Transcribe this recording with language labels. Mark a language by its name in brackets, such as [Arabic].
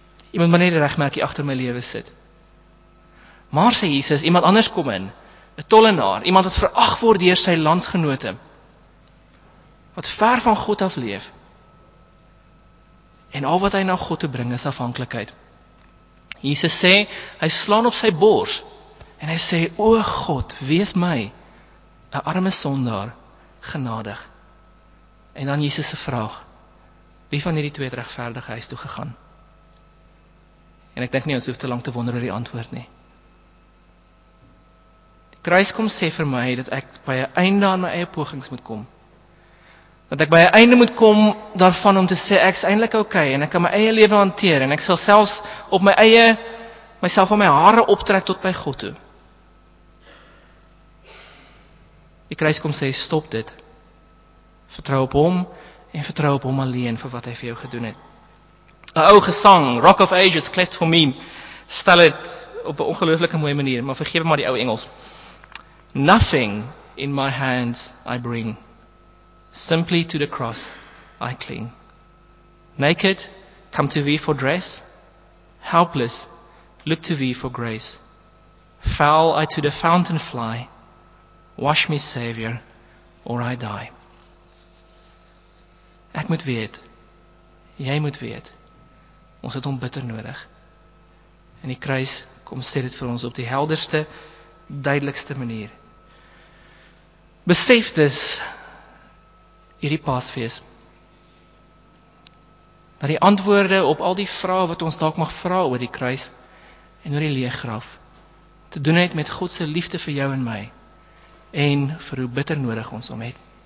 [Afrikaans] Iemand moet net die regmerkie agter my lewe sit. Maar sê Jesus, iemand anders kom in, 'n tollenaar, iemand wat verag word deur sy landsgenote, wat ver van God af leef, en al wat hy na God toe bring is afhanklikheid. Jesus sê, hy slaan op sy bors, en hy sê, o God, wees my, 'n arme sondaar, genadig. En dan Jesus se vraag, wie van hierdie twee het regverdig huis toe gegaan? En ek dink nie, ons hoef te lang te wonder oor die antwoord nie. Kruis kom sê vir my, dat ek by 'n einde aan my eie pogings moet kom. Dat ek by 'n einde moet kom daarvan om te sê, ek is eindelijk okay, en ek kan my eie lewe hanteer, en ek sal selfs op my eie, myself aan my hare optrek tot by God toe. Die kruis kom sê, stop dit. Vertrou op hom, en vertrou op hom alleen vir wat hy vir jou gedoen het. 'N ou gesang, Rock of Ages, Cleft for Me, stel het op 'n ongelooflike mooie manier, maar vergewe maar die ou Engels. [English] Nothing in my hands I bring, simply to the cross I cling. Naked, come to thee for dress, helpless, look to thee for grace. Foul, I to the fountain fly, wash me, Savior, or I die. [Afrikaans] Ek moet weet, jy moet weet, ons het hom bitter nodig. En die kruis, kom sê dit vir ons op die helderste, duidelikste manier. Besef dus, hierdie paasfees, dat die antwoorde op al die vrae wat ons dalk mag vra oor die kruis, en oor die leeg graf, te doen het met Godse liefde vir jou en my, en vir hoe bitter nodig ons om het.